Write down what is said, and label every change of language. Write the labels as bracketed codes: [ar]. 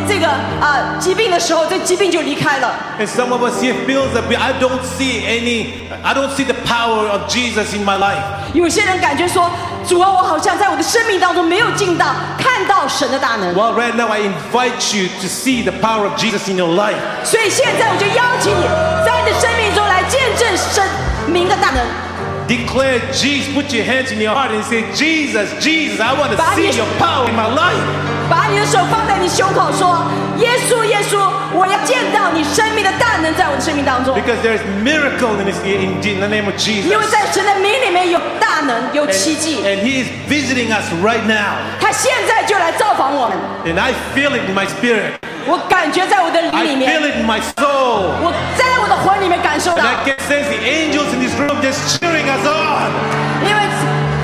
[zh] 主来对付这个仇敌这个疾病的时候，这疾病就离开了。 [en] And some of us here feel that I don't see the power of Jesus in my life. [zh] 有些人感觉说，主啊，我好像在我的生命当中没有进到看到神的大能。 [en] Well, right now I invite you to see the power of Jesus in your life. [zh] 所以现在我就邀请你在你的生命中来见证神名的大能。 [en] Declare Jesus, put your hands in your heart and say, Jesus, Jesus, I want to see your power in my life. [zh] 把你的手放在你胸口说, 耶稣, 耶稣, 我要见到你生命的大能在我的生命当中。 [en] Because there is miracle in the name of Jesus. [zh] 因为在神的名里面有大能, 有奇迹。 [en] And he is visiting us right now. [zh] 他现在就来造访我们。 [en] And I feel it in my spirit. [zh] 我感觉在我的灵里面, [en] I feel it in my soul. [zh] 我在我的魂里面感受到, [en] and I can sense the angels in this room just cheering us on.